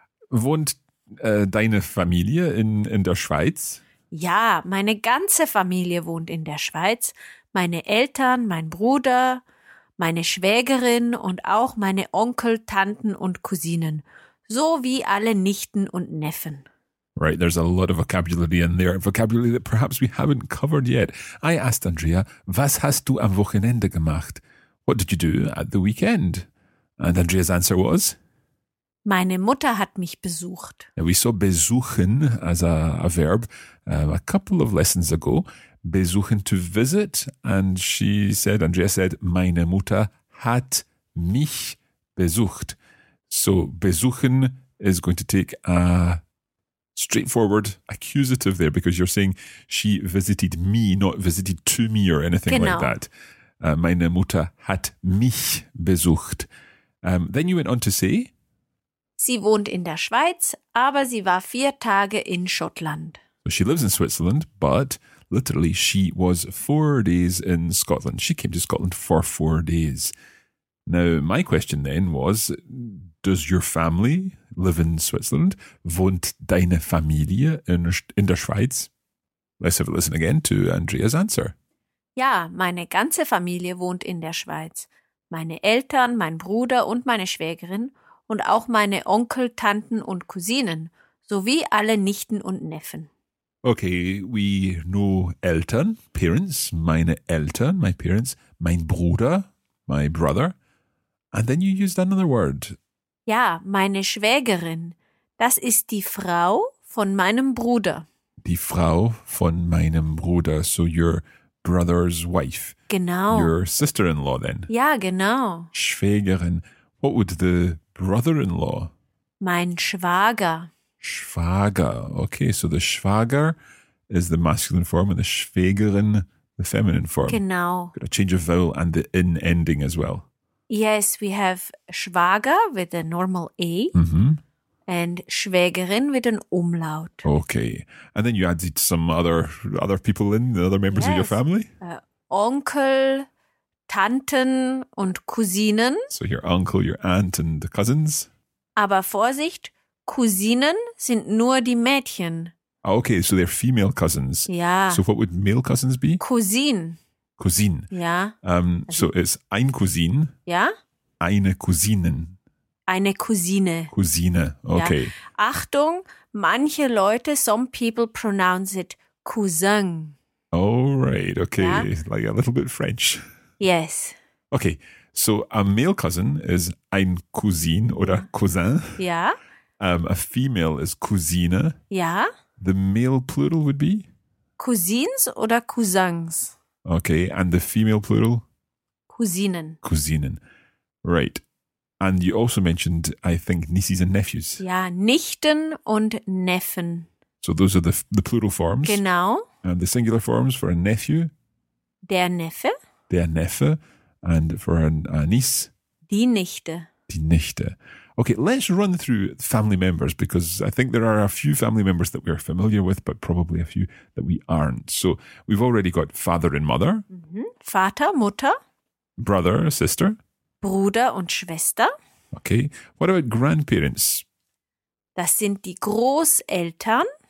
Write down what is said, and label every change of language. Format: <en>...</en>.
<de>Wohnt deine Familie in der Schweiz? Ja, meine ganze Familie wohnt in der Schweiz. Meine Eltern, mein Bruder, meine Schwägerin und auch meine Onkel, Tanten und Cousinen. So wie alle Nichten und Neffen.</de> <en>Right, there's a lot of vocabulary in there. Vocabulary that perhaps we haven't covered yet. I asked Andrea,</en> <de>was hast du am Wochenende gemacht?</de> <en>What did you do at the weekend? And Andrea's answer was?</en> <de>Meine Mutter hat mich besucht.</de> <en>We saw besuchen as a verb a couple of lessons ago. Besuchen, to visit. And she said, Andrea said,</en> <de>meine Mutter hat mich besucht.</de> <en>So besuchen is going to take a straightforward accusative there, because you're saying she visited me, not visited to me or anything</en> <de>genau.</de> <en>Like that.</en> <de>Meine Mutter hat mich besucht.</de> <en>Then you went on to say?</en> <de>Sie wohnt in der Schweiz, aber sie war 4 Tage in Schottland.</de> <en>So she lives in Switzerland, but literally she was 4 days in Scotland. She came to Scotland for 4 days. Now, my question then was, does your family live in Switzerland?</en> <de>Wohnt deine Familie in der Schweiz?</de> <en>Let's have a listen again to Andrea's answer.</en> <de>Ja, meine ganze Familie wohnt in der Schweiz. Meine Eltern, mein Bruder und meine Schwägerin und auch meine Onkel, Tanten und Cousinen, sowie alle Nichten und Neffen.</de> <en>Okay, we know Eltern, parents,</en> <de>meine Eltern,</de> <en>my parents,</en> <de>mein Bruder,</de> <en>my brother. And then you used another word.</en> <de>Ja, meine Schwägerin, das ist die Frau von meinem Bruder. Die Frau von meinem Bruder,</de> <en>so you're brother's wife.</en> <de>Genau.</de> <en>Your sister-in-law then.</en> <de>Ja, genau. Schwägerin.</de> <en>What would the brother-in-law?</en> <de>Mein Schwager.</de> <en>Schwager. Okay, so the Schwager is the masculine form and the Schwägerin the feminine form.</en> <de>Genau.</de> <en>Got a change of vowel and the in ending as well. Yes, we have Schwager with a normal A. Mm-hmm. And Schwägerin with an Umlaut. Okay. And then you added some other people in, the other members yes. of your family?</en> <de>Onkel, Tanten und Cousinen.</de> <en>So your uncle, your aunt and the cousins.</en> <de>Aber Vorsicht, Cousinen sind nur die Mädchen.</de> <en>Okay, so they're female cousins.</en> <de>Ja.</de> <en>So what would male cousins be?</en> <de>Cousin. Cousin. Ja.</de> <en>So it's ein Cousin.</en> <de>Ja. Eine Cousinen. Eine Cousine. Cousine, okay. Ja. Achtung, manche Leute,</de> <en>some people pronounce it Cousin. Oh, right, okay. Ja? Like a little bit French. Yes. Okay, so a male cousin is ein Cousin oder ja.</en> <de>Cousin. Ja.</de> <en>A female is Cousine.</en> <de>Ja.</de> <en>The male plural would be?</en> <de>Cousins oder Cousins.</de> <en>Okay, and the female plural?</en> <de>Cousinen. Cousinen, right.</de> <en>And you also mentioned, I think, nieces and nephews.</en> <de>Ja, Nichten und Neffen.</de> <en>So those are the plural forms.</en> <de>Genau.</de> <en>And the singular forms for a nephew.</en> <de>Der Neffe. Der Neffe.</de> <en>And for a niece.</en> <de>Die Nichte. Die Nichte.</de> <en>Okay, let's run through family members, because I think there are a few family members that we're familiar with, but probably a few that we aren't. So we've already got father and mother.</en> <de>Mm-hmm. Vater, Mutter.</de> <en>Brother, sister?</en> <de>Bruder und Schwester.</de> <en>Okay. What about grandparents?</en> <de>Das sind die Großeltern.</de>